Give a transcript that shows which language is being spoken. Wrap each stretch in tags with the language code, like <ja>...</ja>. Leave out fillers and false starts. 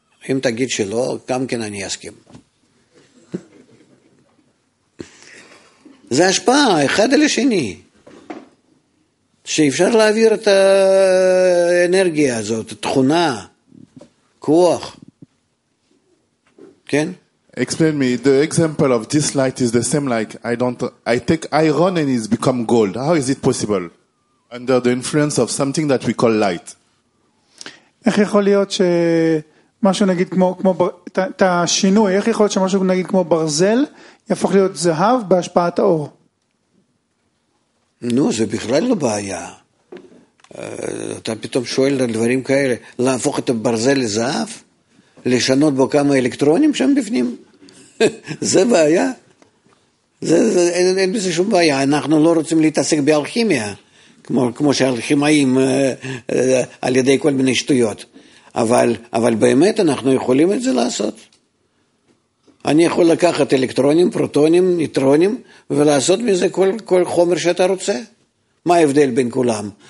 <he>אם תגיד שלא, גם כן אני אסכים. זה השפעה, אחד על השני. שאפשר להעביר את האנרגיה הזאת, התכונה. כוח. כן?</he> <en>Explain me, the example of this light is the same like I take iron and it's become gold. How is it possible? Under the influence of something that we call light.</en> <he>איך יכול להיות שמשהו נגיד כמו את השינוי, איך יכול להיות שמשהו נגיד כמו ברזל יהפוך להיות זהב בהשפעת האור? נו, זה בכלל לא בעיה. אתה פתאום שואל על דברים כאלה, להפוך את הברזל לזהב, לשנות בו כמה אלקטרונים שם בפנים, זה בעיה, אין בזה שום בעיה, אנחנו לא רוצים להתעסק באלכימיה, כמו שהאלכימאים על ידי כל מיני שטויות, אבל באמת אנחנו יכולים את זה לעשות, אני יכול לקחת אלקטרונים, פרוטונים, ניטרונים, ולעשות מזה כל חומר שאתה רוצה, מה ההבדל בין כולם?</he>